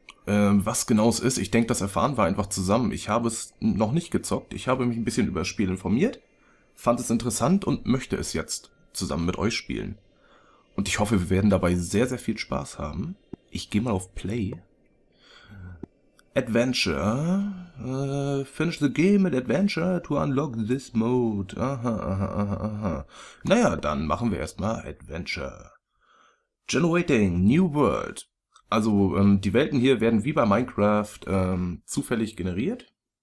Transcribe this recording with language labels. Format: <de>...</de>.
<de>Was genau es ist, ich denke, das erfahren wir einfach zusammen. Ich habe es noch nicht gezockt. Ich habe mich ein bisschen über das Spiel informiert, fand es interessant und möchte es jetzt zusammen mit euch spielen. Und ich hoffe, wir werden dabei sehr, sehr viel Spaß haben. Ich gehe mal auf Play. Adventure.</de> <en>Finish the game at Adventure to unlock this mode. Aha.</en> <de>Naja, dann machen wir erstmal Adventure.</de> <en>Generating New World.</en> <de>Also, die Welten hier werden wie bei Minecraft zufällig generiert.</de>